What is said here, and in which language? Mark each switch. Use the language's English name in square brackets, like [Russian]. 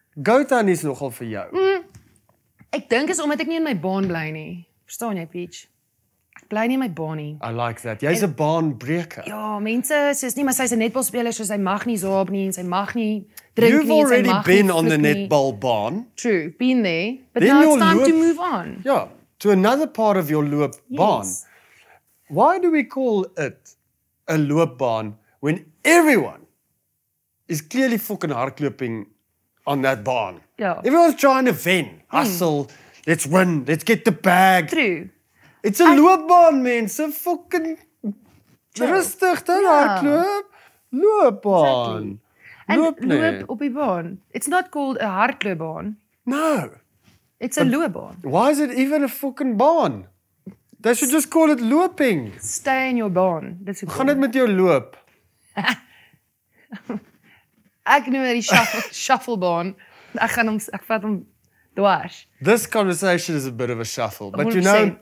[Afrikaans] Go tannies nogal vir jou. Mm. Ek dink is omdat ek nie in my baan bly nie. Verstaan jy, Peach? Ek bly nie in my baan nie. [English] I like that. [Afrikaans] Jy's 'n baanbreker. Ja, mense, sy's nie, maar sy's 'n netbalspeler, so sy mag nie zoop nie en sy mag nie [English] You've already been on the netball baan. True, been there. But then now it's time to move on. Yeah, to another part of your loopbaan. Yes. Why do we call it a loopbaan when everyone is clearly fucking hardloping on that baan? Yeah. Everyone's trying to win, hustle, let's win, let's get the bag. True. It's a loopbaan, mense. Fucking [Afrikaans] rustig, dan hardloop. [English] Loopbaan. Exactly. [Afrikaans] En loop op die baan. [English] It's not called a hardloopbaan. No. It's a loopbaan. Why is it even a fucking baan? They should just call it looping. Stay in your baan. Dis [Afrikaans] hoe. Gaan dit met jou loop? Ek noem dit die shufflebaan. Ek vat hom dwars. [English] This conversation is a bit of a shuffle, but you know,